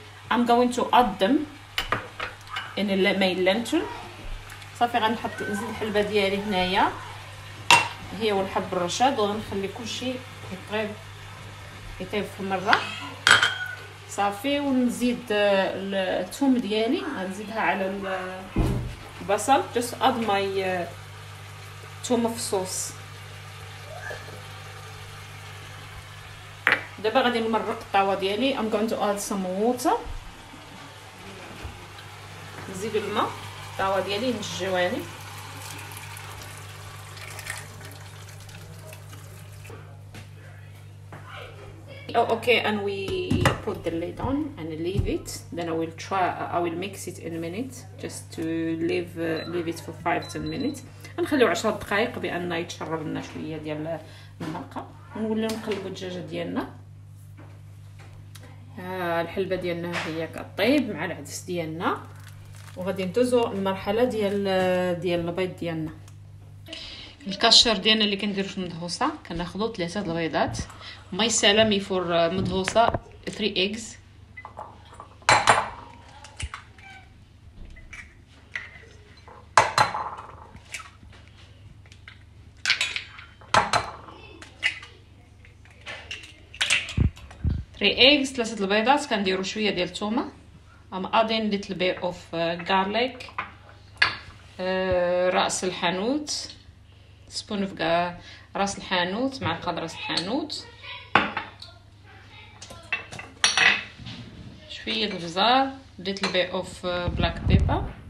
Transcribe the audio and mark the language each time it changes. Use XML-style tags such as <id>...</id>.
<en>I'm going to add them in my lantern.</en> <ar>صافي، غنحط نزيد الحلبة ديالي هنايا هي والحب الرشاد، وغنخلي كلشي يطيب في مرة. صافي. ونزيد الثوم ديالي، غنزيدها على البصل.</ar> <en>just add my</en> <ar>ثوم في الصوص. دابا غادي نمرق الطاوة ديالي.</ar> <en>I'm going to add some water.</en> <ar>نزيد الماء الطاوة ديالي من الجوانب.</ar> <en>Oh, okay, and we put the lid on and leave it. Then I will mix it in a minute, just to leave it for 5-10 minutes.</en> <ar>نخليو 10 دقائق بان يتشرب لنا شويه ديال المرقه. ونوليو نقلبوا الدجاجه ديالنا. الحلبه ديالنا هي كطيب مع العدس ديالنا، وغادي ندوزو المرحله ديال البيض ديالنا. الكاشر ديالنا اللي كنديرو في المدهوسه، كناخذو 3 البيضات.</ar> <en>My سلامي for مدهوسه 3 eggs.</en> <ar>ثلاثة البيضات، كنديرو شوية ديال التومة.</ar> <en>I'm adding little bit of garlic.</en> <ar>رأس الحانوت،</ar> <en>spoon of</en> <ar>رأس الحانوت، معلقة رأس الحانوت، شوية الجزر،</ar> <en>little bit of black pepper.</en>